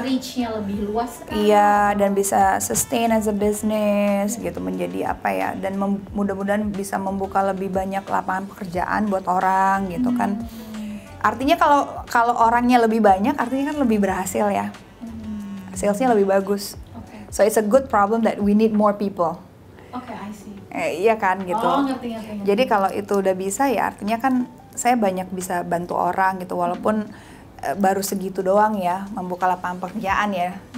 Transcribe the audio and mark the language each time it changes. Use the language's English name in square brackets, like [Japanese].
[Indonesian] Reach-nya lebih luas kan? Iya, dan bisa [English] sustain as a business [Indonesian] gitu, menjadi apa ya? Dan mudah-mudahan bisa membuka lebih banyak lapangan pekerjaan buat orang gitu kan. Artinya kalau orangnya lebih banyak, artinya kan lebih berhasil ya. Salesnya lebih bagus. [English] Okay. So it's a good problem that we need more people. Okay, I see. [Indonesian] Iya kan gitu. Oh, ngerti. Jadi kalau itu udah bisa ya, artinya kan saya banyak bisa bantu orang gitu, walaupun baru segitu doang ya, membuka lapangan pekerjaan ya.